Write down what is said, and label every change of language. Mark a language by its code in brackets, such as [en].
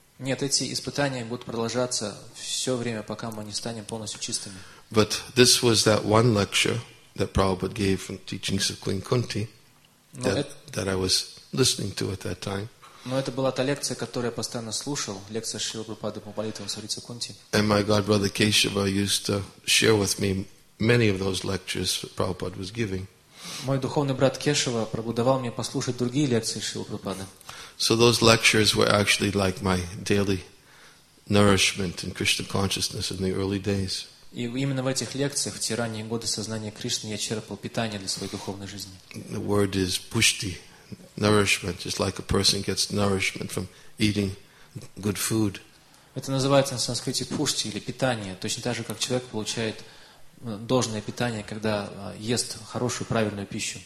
[ru] Нет, эти испытания будут продолжаться все время, пока мы не станем полностью чистыми. [en] But this was that one lecture that Prabhupada gave from teachings of Queen Kunti that I was listening to at that time. [ru] Но это была та лекция, которую я постоянно слушал, лекция Шрилы Прабхупады по молитвам Сарицы Кунти. [en] And my godbrother Keshava used to share with me many of those lectures that Prabhupada was giving. [ru] Мой духовный брат Кешева пробудовал мне послушать другие лекции Шрилы Прабхупады. [en] So those lectures were actually like my daily nourishment in Krishna consciousness in the early days. [ru] И именно в этих лекциях, в те ранние годы сознания Кришны, я черпал питание для своей духовной жизни. [en] The word is pushti, nourishment, just like a person gets nourishment from eating good food. [ru] Это называется на санскрите пушти или питание, точно так же, как человек получает должное питание, когда ест хорошую, правильную пищу.